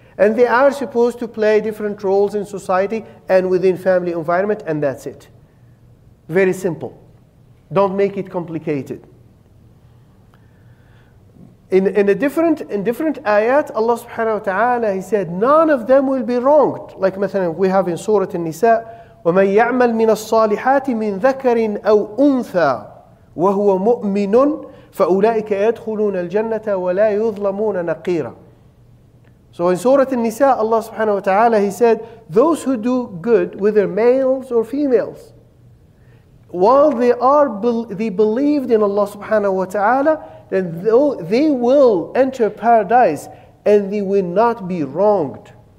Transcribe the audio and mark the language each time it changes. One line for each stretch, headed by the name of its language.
English: And they are supposed to play different roles in society and within family environment, and that's it. Very simple. Don't make it complicated. In different ayat, Allah subhanahu wa ta'ala, He said, none of them will be wronged. Like
Arabic: مثلا,
English: we have in Surah An-Nisa,
Arabic: وَمَنْ يَعْمَلْ مِنَ الصَّالِحَاتِ مِنْ ذَكَرٍ أَوْ أُنْثَى وَهُوَ مُؤْمِنٌ فَأُولَٰئِكَ يَدْخُلُونَ الْجَنَّةَ وَلَا يُظْلَمُونَ نَقِيرًا.
English: So in Surah An-Nisa, Allah subhanahu wa ta'ala, He said, those who do good, whether males or females, while they believed in Allah subhanahu wa ta'ala, then they will enter paradise and they will not be wronged.